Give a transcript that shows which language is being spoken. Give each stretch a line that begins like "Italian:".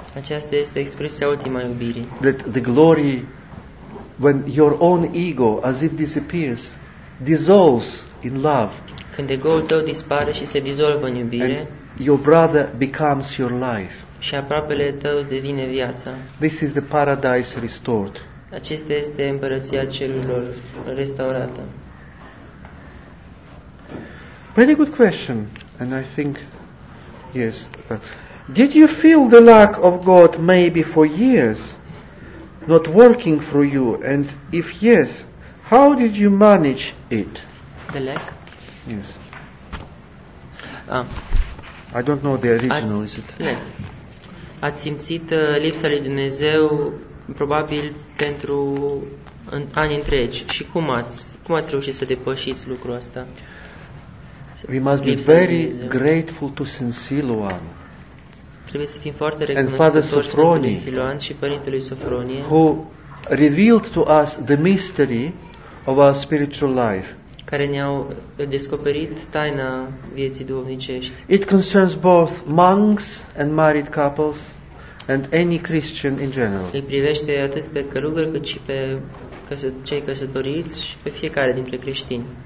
Romanian: Aceasta este expresia ultima iubirii.
English: That the glory, when your own ego, as it disappears, dissolves in love.
Romanian: Când ego-ul tău dispare și se dizolvă în iubire.
English: And your brother becomes your life.
Romanian: Și aproapele tău îți devine viața.
English: This is the paradise restored.
Romanian: Acesta este împărăția cerurilor restaurată.
English: Very good question, and I think, yes. Did you feel the lack of God maybe for years, not working for you? And if yes, how did you manage it? The lack? Yes. I don't know the original, is it? Lack.
Romanian: Ați simțit lipsa lui Dumnezeu probabil pentru ani întregi. Și cum ați reușit să depășiți lucrul ăsta?
English: We must be very grateful to Saint Siloan.
Romanian: Trebuie să fim foarte recunoscători Sfântului Siloan și Părintelui Sofronie,
English: who revealed to us the mystery of our spiritual life.
Romanian: Care ne-au descoperit taina vieții duhovnicești.
English: It concerns both monks and married couples and any Christian in general.
Romanian: Îi privește atât pe călugări cât și pe cei căsătoriți și pe fiecare dintre creștini.